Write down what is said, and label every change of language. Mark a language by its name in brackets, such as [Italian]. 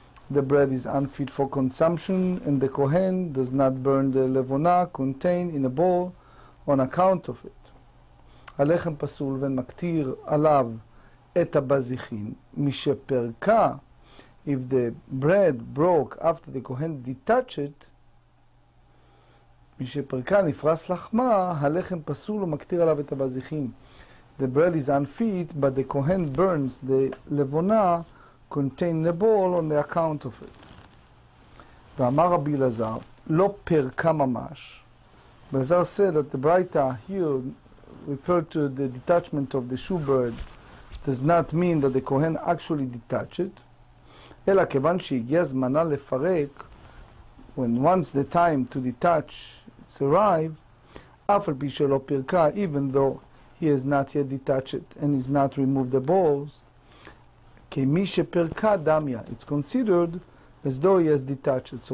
[English] The bread is unfit for consumption and the Kohen does not burn the levona contained in a ball on account of it. [Hebrew] הלחם פסול ומקטיר עליו את הבזיחין, משפרקה, [English] if the bread broke after the Kohen detached it, [Hebrew] משפרקה נפרס לחמה, הלחם פסול ומקטיר עליו את הבזיחין. [English] The bread is unfit, but the Kohen burns the levona contained the ball on the account of it. [Hebrew] ואמר רבי אלעזר, לא פרקה ממש. [English] אלעזר said that the braita here referred to the detachment of the shoe bird does not mean that the Kohen actually detached it. [Hebrew] אלא כיוון שהגיע זמנה לפרק, [English] when once the time to detach it's arrived, [Hebrew] אף על פי שלא פרקה, [English] even though he has not yet detached it and has not removed the balls, [Hebrew] כמי שפרקה דמיה, [English] it's considered as though he has detached it.